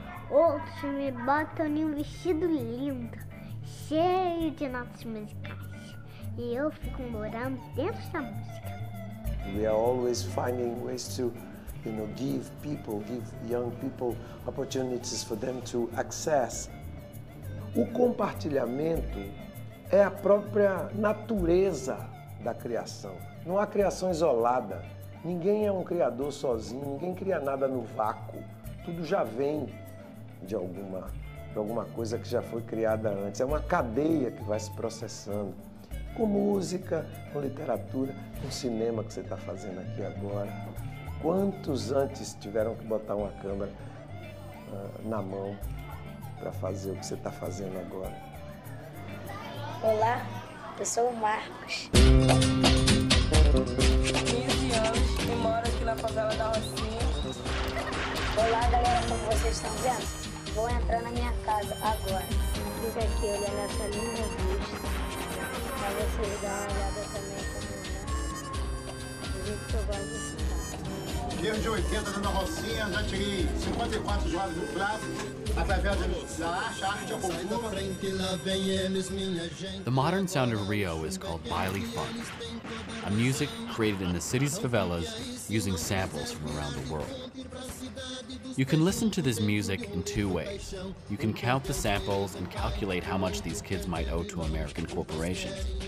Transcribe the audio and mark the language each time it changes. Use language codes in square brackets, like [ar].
[pt] Outros me botam em um vestido lindo, cheio de notas musicais, e eu fico morando dentro da música. [en] We are always finding ways to, you know, give people, give young people opportunities for them to access. [pt] O compartilhamento é a própria natureza da criação. Não há criação isolada. Ninguém é um criador sozinho, ninguém cria nada no vácuo. Tudo já vem de alguma coisa que já foi criada antes. É uma cadeia que vai se processando com música, com literatura, com cinema que você está fazendo aqui agora. Quantos antes tiveram que botar uma câmera na mão para fazer o que você está fazendo agora? Olá, eu sou o Marcos. 15 anos e moro aqui na favela da Rocinha. Olá, galera, como vocês estão vendo? Vou entrar na minha casa agora. Fica aqui olhando essa linda vista. Pra vocês darem uma olhada também pra mim. Gente, eu gosto de ensinar. Dia de 80 dentro da Rocinha, já tirei 54 jogos do prato. [en] The modern sound of Rio is called baile funk, a music created in the city's favelas using samples from around the world. You can listen to this music in two ways. You can count the samples and calculate how much these kids might owe to American corporations.